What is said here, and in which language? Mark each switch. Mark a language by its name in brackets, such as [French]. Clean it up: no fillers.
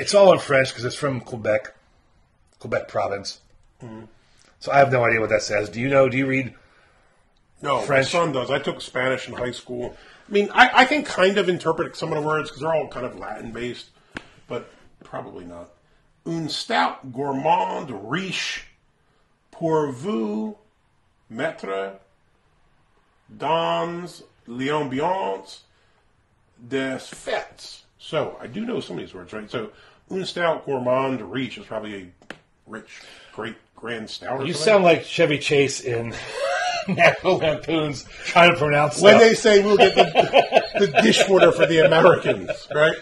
[English] It's all in French because it's from Quebec province. Mm-hmm. So I have no idea what that says. Do you know? Do you read French? No, my son does. I took Spanish in high school. I mean, I can kind of interpret some of the words because they're all kind of Latin-based, but probably not. [French] Un stout gourmand riche pour vous mettre dans l'ambiance des fêtes. [English] So, I do know some of these words, right? So, [French] un stout gourmand riche [English] is probably a rich, great, grand stout. You sound like Chevy Chase in National Lampoon's trying to pronounce when stuff. They say we'll get the dish order for the Americans, right?